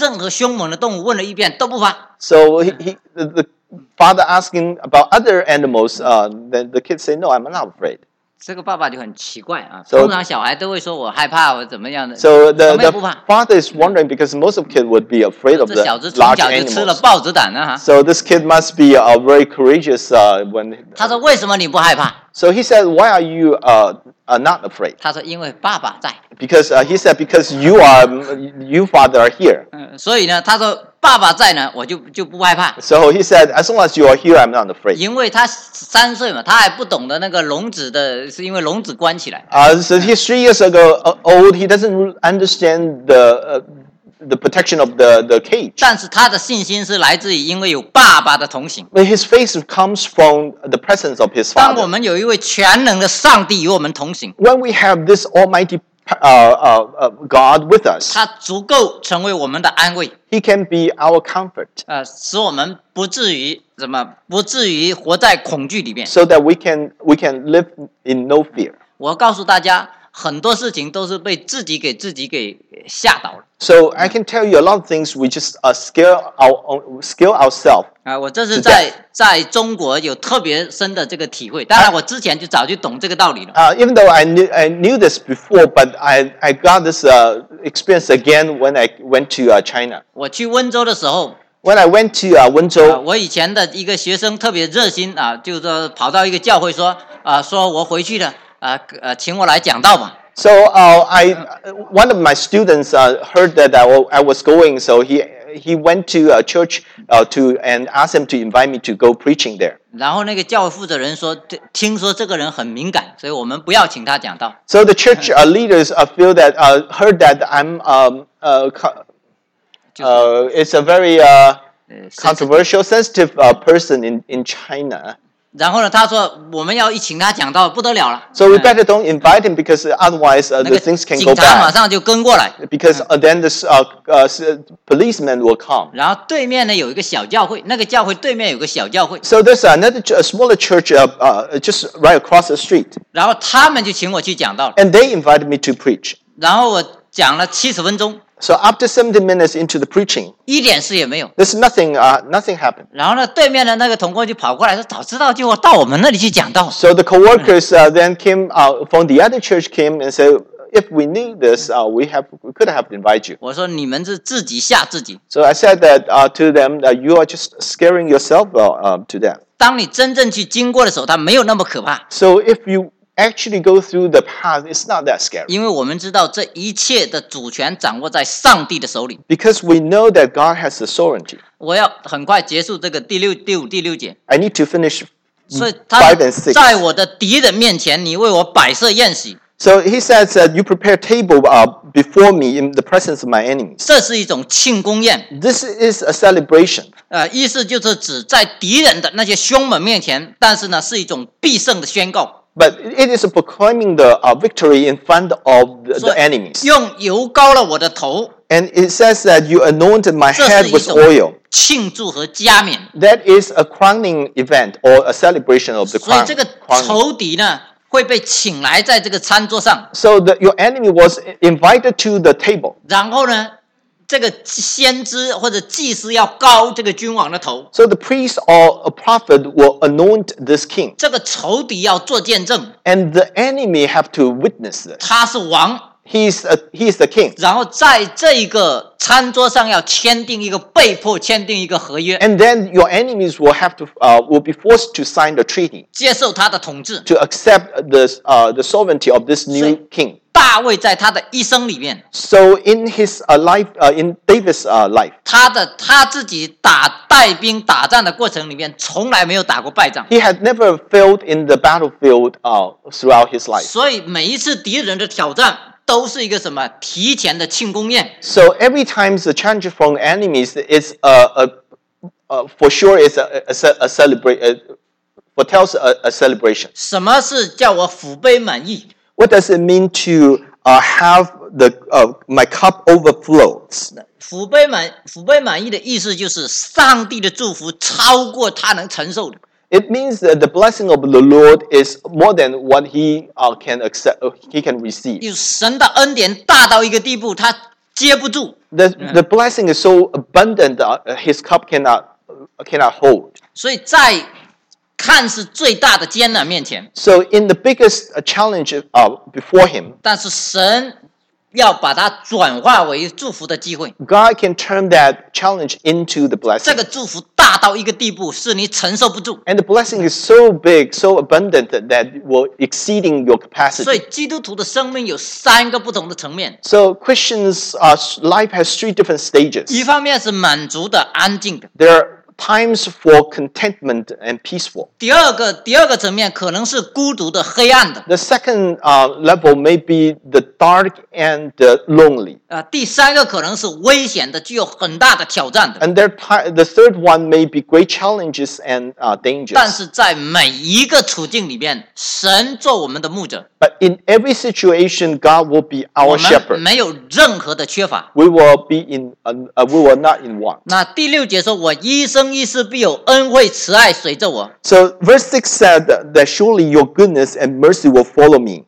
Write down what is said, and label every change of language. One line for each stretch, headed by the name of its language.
Chinese: 任何凶猛的动物问了一遍都不怕。
English: So the father asking about other animals, then the kid said, "No, I'm not afraid."
Chinese: 这个爸爸就很奇怪啊。 So, 通常小孩都会说我害怕我怎么样的。
English: So the father is wondering because most of kid would be afraid of the large animals.
Chinese: 这小子从小就吃了豹子胆啊。
English: So this kid must be a very courageous when.
Chinese: 他说为什么你不害怕？
English: So he said, why are you not afraid?
Chinese: 他说因为爸爸在。
English: Because he said, because you are, you father are here.
Chinese: 所以呢，他说爸爸在呢，我就不害怕。
English: So he said, as long as you are here, I'm not afraid.
Chinese: 因为他三岁嘛，他还不懂得那个笼子的，是因为笼子关起来。
English: So he's 3 years ago old. He doesn't understand the protection of the cage.
Chinese: 但是他的信心是来自于因为有爸爸的同行。
English: But his faith comes from the presence of his father.
Chinese: 当我们有一位全能的上帝与我们同行。
English: When we have this almighty God with us,
Chinese: 他足够成为我们的安慰。
English: He can be our comfort.
Chinese: 使我们不至于怎么不至于活在恐惧里面。
English: So that we can live in no fear.
Chinese: 我告诉大家，很多事情都是被自己给自己给吓倒了。
English: So I can tell you a lot of things we just scare ourselves.
Chinese: 我这是在中国有特别深的这个体会。当然，我之前就早就懂这个道理了。
English: Even though I knew this before, but I got this experience again when I went to China.
Chinese: 我去温州的时候。
English: When I went to 温州。
Chinese: 我以前的一个学生特别热心啊，就是跑到一个教会说说我回去了。请我来讲道吧。
English: So, one of my students heard that I was going, so he went to a church and asked him to invite me to go preaching there.
Chinese: 然后那个教会负责人说，听说这个人很敏感，所以我们不要请他讲道。
English: So the church leaders feel that heard that I'm it's a very controversial sensitive person in China.
Chinese: 然后呢？他说我们要一请他讲道，不得了了。
English: So we better don't invite him because otherwise the things can go bad.
Chinese: 警察马上就跟过来。
English: Because then this policeman will come.
Chinese: 然后对面呢有一个小教会，那个教会对面有个小教会。
English: So there's another smaller church just right across the street.
Chinese: 然后他们就请我去讲道了。
English: And they invited me to preach.
Chinese: 然后我讲了70分钟。
English: So after 70 minutes into the preaching,
Chinese: 一点事也没有。
English: There's nothing, nothing happened.
Chinese: 然后呢，对面的那个同工就跑过来说：“早知道就到我们那里去讲道。”
English: So the co-workers then came from the other church came and said, "If we knew this, we could have invited you."
Chinese: 我说你们是自己吓自己。
English: So I said that to them that you are just scaring yourself to them.
Chinese: 当你真正去经过的时候，它没有那么可怕。
English: So if you actually go through the path, it's not that scary.
Chinese: 因为我们知道这一切的主权掌握在上帝的手里。
English: Because we know that God has the sovereignty.
Chinese: 我要很快结束这个第五、第六节。
English: I need to finish 5 and 6.
Chinese: 在我的敌人面前，你为我摆设宴席。
English: So he says that you prepare table before me in the presence of my enemies.
Chinese: 这是一种庆功宴。
English: This is a celebration.
Chinese: 意思就是指在敌人的那些凶猛面前，但是呢，是一种必胜的宣告。
English: But it is proclaiming the victory in front of the enemies.
Chinese: 用油膏了我的头。
English: And it says that you anointed my head with oil.
Chinese: 庆祝和加冕。
English: That is a crowning event or a celebration of the crown.
Chinese: 所以这个仇敌呢会被请来在这个餐桌上。
English: So your enemy was invited to the table.
Chinese: 然后呢，这个先知或者祭司要膏这个君王的头。
English: So the priest or a prophet will anoint this king.
Chinese: 这个仇敌要做见证。
English: And the enemy have to witness this.
Chinese: 他是王。
English: He's the king.
Chinese: 然后在这一个餐桌上要签订一个被迫签订一个合约。
English: And then your enemies will have to will be forced to sign the treaty.
Chinese: 接受他的统治。
English: To accept the sovereignty of this new king.
Chinese: 大卫在他的一生里面
English: ，So in his life, in David's life,
Chinese: 他自己打带兵打仗的过程里面，从来没有打过败仗。
English: He had never failed in the battlefield throughout his life.
Chinese: 所以每一次敌人的挑战都是一个什么提前的庆功宴。
English: So every time the challenge from enemies is for sure is a foretells a celebration.
Chinese: 什么是叫我福杯满溢？
English: What does it mean to have the my cup overflows?
Chinese: 福杯满溢的意思就是上帝的祝福超过他能承受的。
English: It means that the blessing of the Lord is more than what he can accept, he can receive.
Chinese: 有神的恩典大到一个地步，他接不住。
English: The blessing is so abundant that his cup cannot hold.
Chinese: 所以在看是最大的艰难面前。
English: So in the biggest challenge before him.
Chinese: 但是神要把它转化为祝福的机会。
English: God can turn that challenge into the blessing.
Chinese: 这个祝福大到一个地步，是你承受不住。
English: And the blessing is so big, so abundant that will exceeding your capacity.
Chinese: 所以基督徒的生命有三个不同的层面。
English: So Christians' life has three different stages.
Chinese: 一方面是满足的、安静的。
English: There are times for contentment and peaceful.
Chinese: 第二个层面可能是孤独的、黑暗的。
English: The second level may be the dark and the lonely.
Chinese: 第三个可能是危险的、具有很大的挑战的。
English: And the third one may be great challenges and dangers.
Chinese: 但是在每一个处境里面，神做我们的牧者。
English: But in every situation, God will be our shepherd.
Chinese: 我们没有任何的缺乏。
English: We will not in want.
Chinese: 那第六节说，我一生一世必有恩惠慈爱随着我。
English: So verse 6 said that surely your goodness and mercy will follow me.